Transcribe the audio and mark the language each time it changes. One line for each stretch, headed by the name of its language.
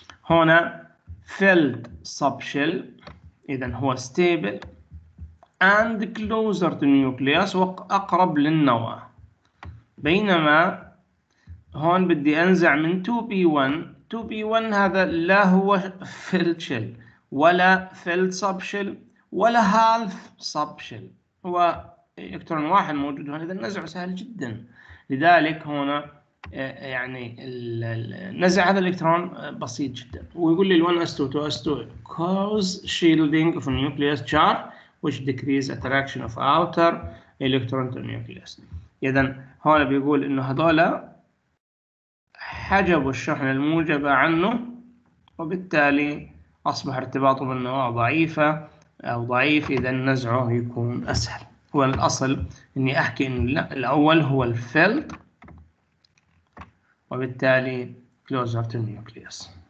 Arabic: هنا
English: field subshell اذا هو stable and closer to nucleus
Arabic: واقرب للنواه، بينما هون بدي أنزع من 2P1 هذا لا هو filled shell ولا filled subshell ولا half subshell، هو إلكترون واحد موجود هون، إذا النزع سهل جدا. لذلك هنا يعني نزع هذا الإلكترون بسيط جدا، ويقول لي
English: 1s2 2s2 cause shielding of nucleus charge which decrease attraction of outer electron to nucleus.
Arabic: إذن هون بيقول إنه هذولا حجبوا الشحنة الموجبة عنه وبالتالي أصبح ارتباطه بالنواة ضعيفة أو ضعيف، إذا نزعه يكون أسهل. هو الأصل إني أحكي إن الأول هو الفيلد وبالتالي
English: closer to nucleus.